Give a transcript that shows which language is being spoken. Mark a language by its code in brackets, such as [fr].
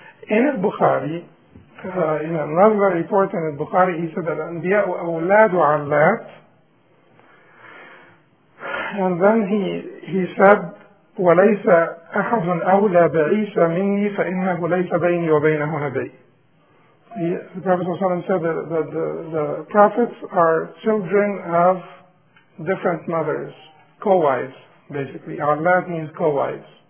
[en] In al-Bukhari, in another report in al-Bukhari, he said that [ar] Anbiya'u awladu allat. [en] And then he said, [ar] وَلَيْسَ أَحَدٌ أَوْلَى بَعِيسَ مِنِّي فَإِنَّهُ لَيْسَ بَيْنِي وَبَيْنَهُ نَبِيٌّ. [en] The Prophet ﷺ said that the prophets are children of different mothers, co-wives, basically. Allat means co-wives.